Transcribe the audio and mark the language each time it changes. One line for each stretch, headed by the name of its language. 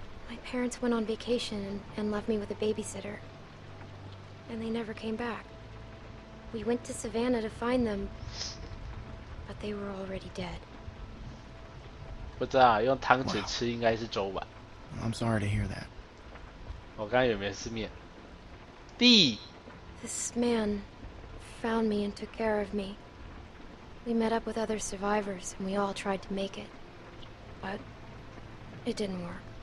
English: My parents went on vacation and left me with a babysitter. And they never came back. We went to Savannah to find them, but they were already dead.
Chinese: 不知道，用汤匙吃应该是粥吧。
English: Wow. I'm sorry to hear that.
Chinese: 我刚有没有失眠？弟。
English: This man found me and took care of me. We met up with other survivors and we all tried to make it, but it didn't work.